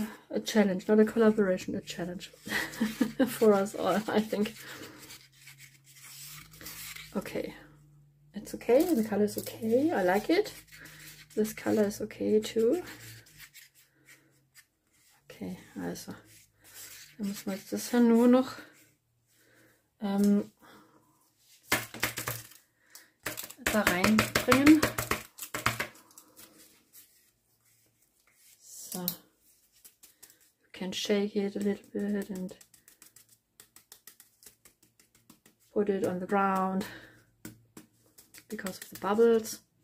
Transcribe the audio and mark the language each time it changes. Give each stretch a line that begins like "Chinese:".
English: A challenge, not a collaboration, a challenge for us all, I think. Okay, it's okay, the color is okay, I like it. This color is okay too.
German: Okay, also, da muss man jetzt das ja nur noch da reinbringen. So.
English: You can shake it a little bit and put it on the ground because of the bubbles.